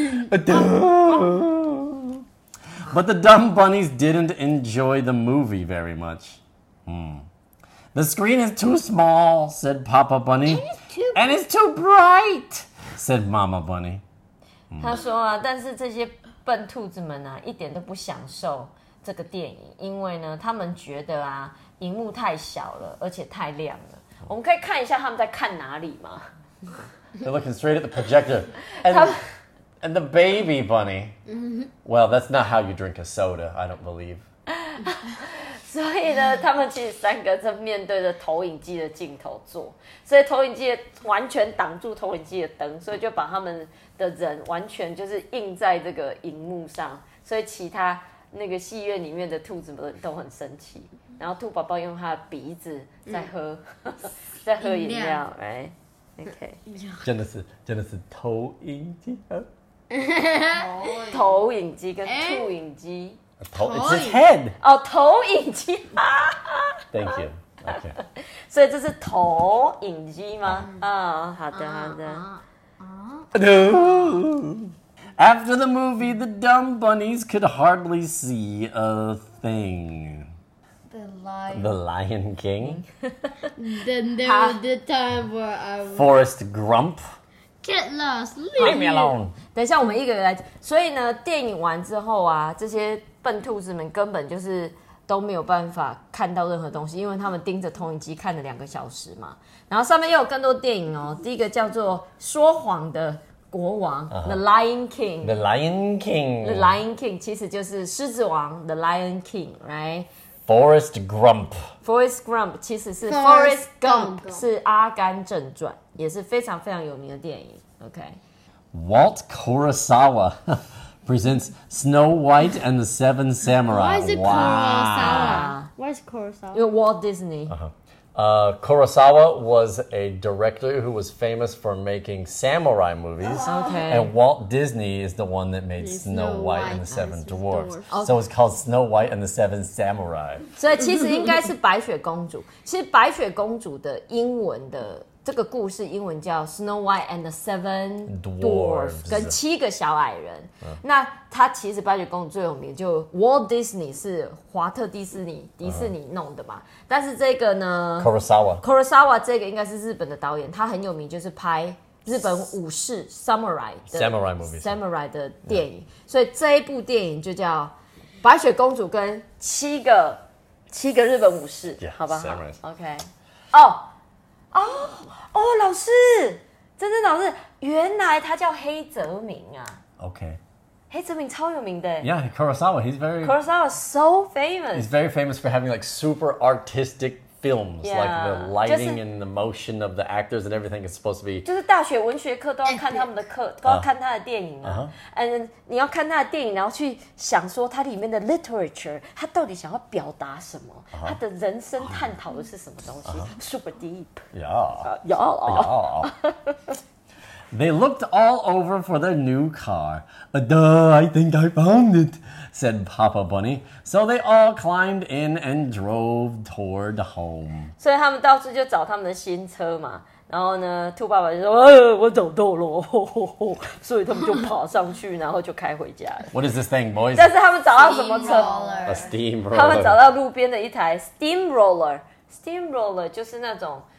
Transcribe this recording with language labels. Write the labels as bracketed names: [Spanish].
[English] But the dumb bunnies didn't enjoy the movie very much. The screen is too small, said Papa Bunny. And it's too bright, said Mama Bunny. [Chinese] 他说啊，但是这些笨兔子们啊，一点都不享受这个电影，因为呢，他们觉得啊，荧幕太小了，而且太亮了。我们可以看一下他们在看哪里吗？ [English] They're looking straight at the projector. And the baby bunny. Mm-hmm. Well, that's not how you drink a soda, I don't believe. [Chinese] 所以呢，他们其实三个正面对着投影机的镜头坐，所以投影机完全挡住投影机的灯，所以就把他们的人完全就是映在这个荧幕上，所以其他那个戏院里面的兔子们都很生气。然后兔宝宝用他的鼻子在喝，在喝饮料，哎 ，OK，真的是投影机，投影机跟兔影机。 [English] It's his head. [Chinese] Oh, 投影机. [English] Thank you. Okay. [Chinese] 所以这是投影机吗？啊，好的，好的。 [English] No. After the movie, the dumb bunnies could hardly see a thing. The Lion King. Then there was the time where I was. Forrest Grump. Get lost, leave me alone. [Chinese] 等一下，我们一个人来。所以呢，电影完之后啊，这些笨兔子们根本就是都没有办法看到任何东西，因为他们盯着投影机看了两个小时嘛。然后上面又有更多电影哦。第一个叫做《说谎的国王》，The Lion King。 [English] The Lion King。 [Chinese] The Lion King 其实就是狮子王 ，The Lion King， right？ [English] Forrest Grump. [Chinese] Forrest Grump 其实是 Forrest Gump 是《阿甘正传》，也是非常非常有名的电影。OK. [English] Walt Kurosawa presents Snow White and the Seven Samurai. Why is it Kurosawa? Why is Kurosawa? You're Walt Disney. Kurosawa was a director who was famous for making samurai movies. Okay. And Walt Disney is the one that made Snow White and the Seven Dwarfs. So it's called Snow White and the Seven Samurai. [Chinese] 所以其实应该是白雪公主。其实白雪公主的英文的这个故事英文叫 Snow White and the Seven Dwarfs 跟七个小矮人。那他其实白雪公主最有名就 Walt Disney 是华特迪士尼弄的嘛。但是这个呢 [English] Kurosawa [Chinese] 这个应该是日本的导演，他很有名就是拍日本武士 Samurai 的电影。所以这一部电影就叫白雪公主跟七个日本武士，好吧 ？OK， 哦。哦哦，老师，真的老师，原来他叫黑泽明啊。 OK，黑泽明超有名的。 [English] Yeah, Kurosawa. He's very Kurosawa so famous. He's very famous for having like super artistic films, yeah, like the lighting、就是、and the motion of the actors and everything is supposed to be. [Chinese] 就是大学文学课都要看他们的课，都要看他的电影啊。嗯、uh-huh. ，你要看他的电影，然后去想说他里面的 literature， 他到底想要表达什么？ Uh-huh. 他的人生探讨的是什么东西、uh-huh. ？ [English] Super deep. Yeah. Yeah. They looked all over for their new car. Duh, I think I found it, said Papa Bunny. So they all climbed in and drove toward home. [Chinese] 所以他们到处就找他们的新车嘛。然后呢，兔爸爸就说：“我找到了。” 所以他们就跑上去，然后就开回家了。 [English] What is this thing, boys? [Chinese] 但是他们找到什么车 [English] ？A steamroller. [Chinese] 他们找到路边的一台 steamroller. Steamroller 就是那种。